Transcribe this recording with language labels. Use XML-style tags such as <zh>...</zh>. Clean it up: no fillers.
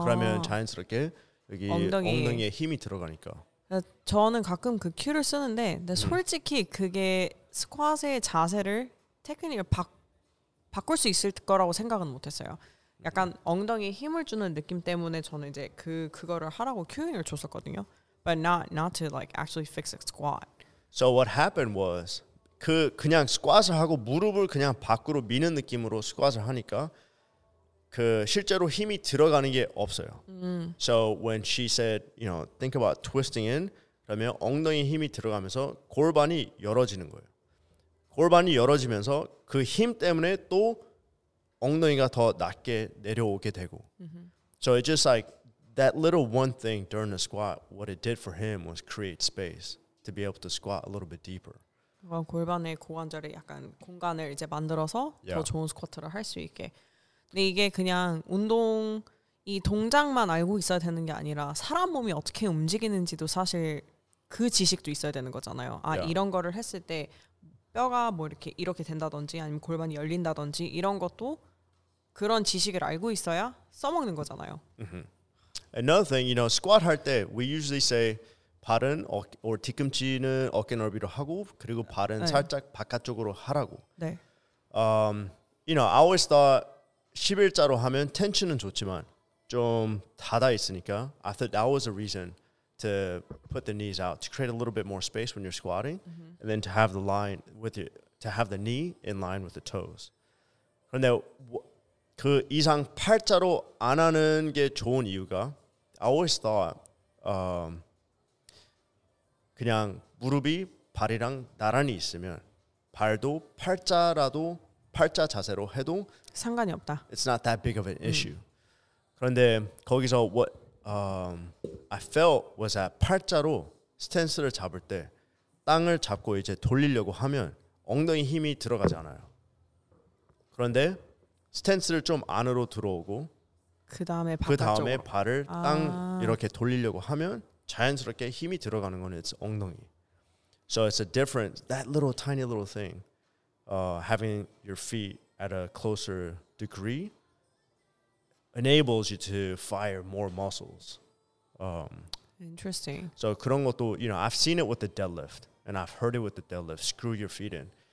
<ko>그러면 자연스럽게 여기 엉덩이에 힘이 들어가니까. 저는 가끔 그 큐를 쓰는데 근데 솔직히 그게 스쿼트의 자세를 테크닉을 바꿀 수 있을 거라고 생각은 못했어요. 약간 엉덩이에 힘을 주는 느낌 때문에 저는 이제 그거를 하라고 큐잉을 줬었거든요.</ko> <en>But not to like actually fix a squat. So what happened was</en> <ko>그냥 스쿼트를 하고 무릎을 그냥 밖으로 미는 느낌으로 스쿼트를 하니까 그 실제로 힘이 들어가는 게 없어요.</ko> <en>So when she said, you know, think about twisting in,</en> <ko>그러면 엉덩이 힘이 들어가면서 골반이 열어지는 거예요. 골반이 열어지면서 그 힘 때문에 또 엉덩이가 더 낮게 내려오게 되고.</ko> <en>So it's just like that little one thing during the squat, what it did for him was create space to be able to squat a little bit deeper.</en> <ko>골반의 고관절에 약간 공간을 이제 만들어서 더 좋은 스쿼트를 할 수 있게. 근데 이게 그냥 운동 이 동작만 알고 있어야 되는 게 아니라 사람 몸이 어떻게 움직이는지도 사실 그 지식도 있어야 되는 거잖아요. 아 yeah. 이런 거를 했을 때 뼈가 뭐 이렇게 된다든지 아니면 골반이 열린다든지 이런 것도 그런 지식을 알고 있어야 써먹는 거잖아요.</ko> <en>Another thing, you know, squat</en> <ko>할 때</ko> <en>we usually say</en> <ko>발은 or 뒤꿈치는 어깨 넓이로 하고 그리고 발은 네. 살짝 바깥쪽으로 하라고. 네.</ko> <en>You know, I always thought</en> <ko>11자로 하면 텐션은 좋지만 좀 닫아 있으니까</ko> <en>I thought that was a reason to put the knees out to create a little bit more space when you're squatting mm-hmm. and then to have the line with it to have the knee in line with the toes.</en> <ko>그런데 그 이상 8자로 안 하는 게 좋은 이유가</ko> <en>I always thought</en> <ko>그냥 무릎이 발이랑 나란히 있으면 발도 8자라도 8자 자세로 해도 상관이 없다.</ko> <en>It's not that big of an issue.</en> <ko>그런데 거기서</ko> <en>what I felt was that</en> <ko>8자로 스탠스를 잡을 때 땅을 잡고 이제 돌리려고 하면 엉덩이 힘이 들어가지 않아요. 그런데 스탠스를 좀 안으로 들어오고 그다음에 바깥쪽으로. 그다음에 발을 땅 이렇게 돌리려고 하면 자연스럽게 힘이 들어가는 건</ko> <en>it's</en> <ko>엉덩이.</ko> <en>So it's a difference, that little tiny little thing, having your feet at a closer degree enables you to fire more muscles. Interesting. So</en> <ko>그런 것도,</ko> <en>you know, I've seen it with the deadlift and I've heard it with the deadlift, screw your feet in.</en>